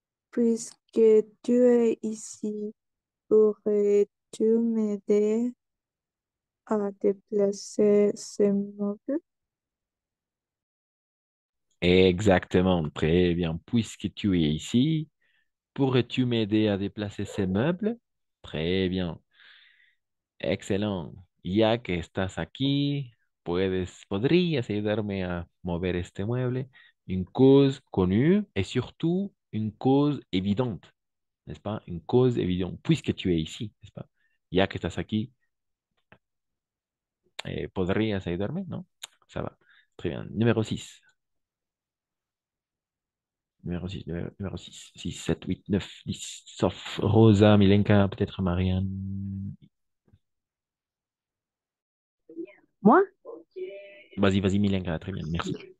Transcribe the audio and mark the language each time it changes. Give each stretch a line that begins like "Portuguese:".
French: puisque tu es ici, pourrais-tu m'aider à déplacer ce meuble? Exactement, très bien. Puisque tu es ici, pourrais-tu m'aider à déplacer ces meubles? Très bien.
Spanish: Excelente. Ya que estás aquí, podrías ayudarme a mover este mueble.
French: Une cause connue et surtout une cause évidente, n'est-ce pas? Une cause évidente. Puisque tu es ici, n'est-ce pas?
Spanish: Ya que estás aquí, podrías ayudarme, ¿no?
French: Ça va. Très bien. Numéro 6. Numéro 6, numéro 6, 6, 7, 8, 9, 10, sauf Rosa, Milenka, peut-être Marianne. Moi? Vas-y, vas-y, Milenka, très bien, merci.